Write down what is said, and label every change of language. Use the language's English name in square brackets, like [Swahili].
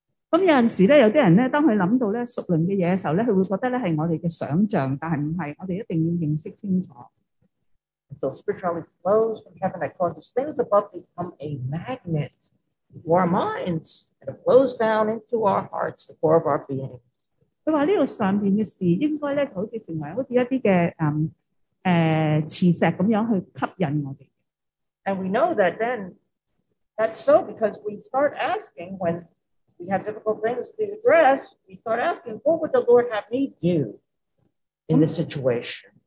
[Cantonese] 咁有阵时咧，有啲人咧，当佢谂到咧属灵嘅嘢嘅时候咧，佢会觉得咧系我哋嘅想象，但系唔系，我哋一定要认识清楚。 [English] So spirituality flows from heaven that causes things above to become a magnet to our minds and flows down into our hearts, the core of our being. [Cantonese] 佢话呢个上边嘅事应该咧，好似成为好似一啲嘅磁石咁样去吸引我哋。 [English] And we know that then that's so because we start asking when we have difficult things to address, we start asking, what would the Lord have me do in this situation?